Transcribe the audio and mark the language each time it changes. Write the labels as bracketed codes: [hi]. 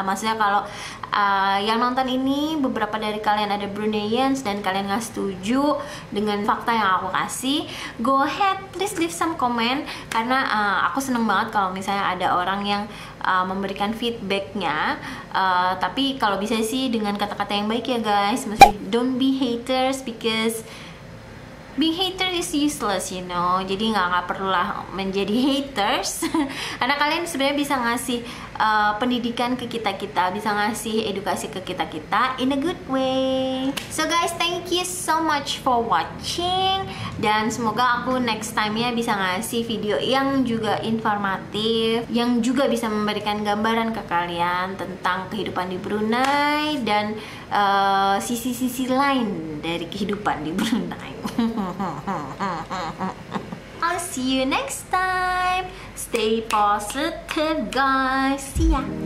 [id] Maksudnya kalau yang nonton ini beberapa dari kalian ada Bruneians dan kalian gak setuju dengan fakta yang aku kasih, [en] go ahead, please leave some comment. [id] Karena aku seneng banget kalau misalnya ada orang yang memberikan feedbacknya. Tapi kalau bisa sih dengan kata-kata yang baik ya guys. [en] Maksudnya don't be haters, because being hater is useless, you know. [id] Jadi nggak perlulah menjadi haters. Karena kalian sebenarnya bisa ngasih pendidikan ke kita-kita, bisa ngasih edukasi ke kita-kita [en] in a good way. So guys, thank you so much for watching. [id] Dan semoga aku next time-nya bisa ngasih video yang juga informatif, yang juga bisa memberikan gambaran ke kalian tentang kehidupan di Brunei dan sisi-sisi lain dari kehidupan di Brunei. [en] I'll see you next time. Stay positive, guys. See ya.